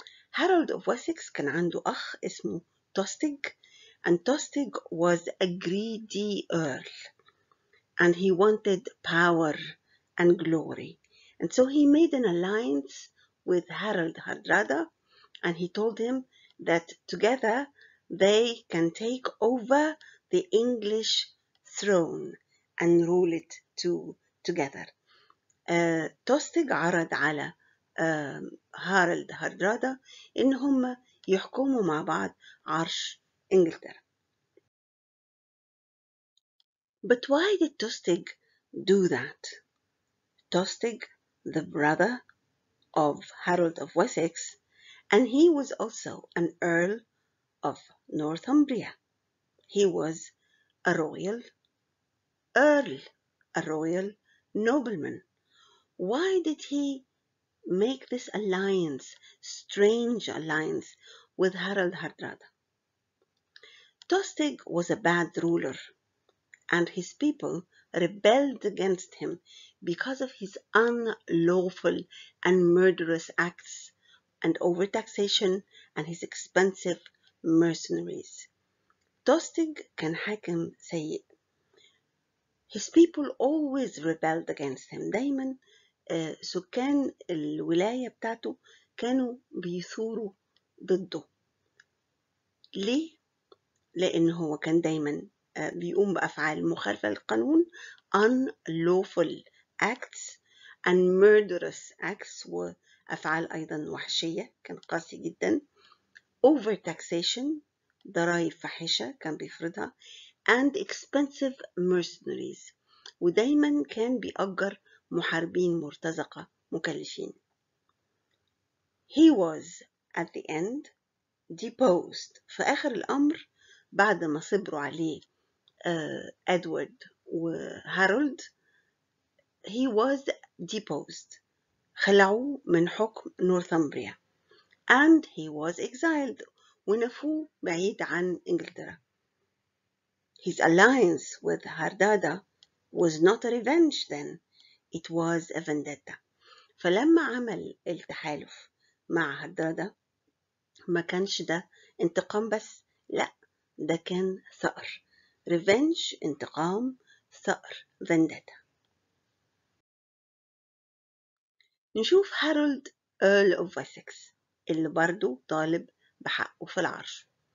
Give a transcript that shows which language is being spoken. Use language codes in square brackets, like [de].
[en] Harald of Wessex [ar] كان عنده أخ اسمه [en] Tostig, and Tostig was a greedy earl, and he wanted power and glory. And so he made an alliance with Harald Hardrada, and he told him that together they can take over the English throne and rule it too together. [ar] Tostig عرض على هارلد هاردرادا إن هم يحكموا مع بعض عرش إنجلترا. [en] But why did Tostig do that? Tostig, the brother of Harold of Wessex, and he was also an earl of Northumbria. He was a royal earl, a royal nobleman. Why did he make this alliance, strange alliance, with Harald Hardrada? Tostig was a bad ruler, and his people rebelled against him because of his unlawful and murderous acts and overtaxation and his expensive mercenaries. [ar] Tostig كان حاكم سيء. [en] His people always rebelled against him. [ar] دايما سكان الولاية بتاعته كانوا بيثوروا ضده. ليه؟ لأن هو كان دايما بيقوم بأفعال مخالفة للقانون, [en] unlawful acts and murderous acts, [ar] وأفعال أيضا وحشية, كان قاسي جدا. Overtaxation, ضرائب فاحشة كان بيفرضها, [en] and expensive mercenaries, [ar] ودايما كان بيأجر محاربين مرتزقة مكلفين. [en] He was at the end deposed, [ar] في آخر الأمر بعد ما صبروا عليه Edward وHarold, [en] he was deposed, [ar] خلعوا من حكم Northumbria. [en] And he was exiled, [ar] ونفوه بعيد عن إنجلترا. [en] His alliance with Hardrada was not a revenge then, it was a vendetta. [ar] فلما عمل التحالف مع هاردرادا ما كانش ده انتقام بس, لا, ده كان ثأر. [en] Revenge, [ar] انتقام, ثأر, [en] vendetta. [ar] نشوف هارولد Earl of Wessex اللي برضو طالب بحقه في العرش.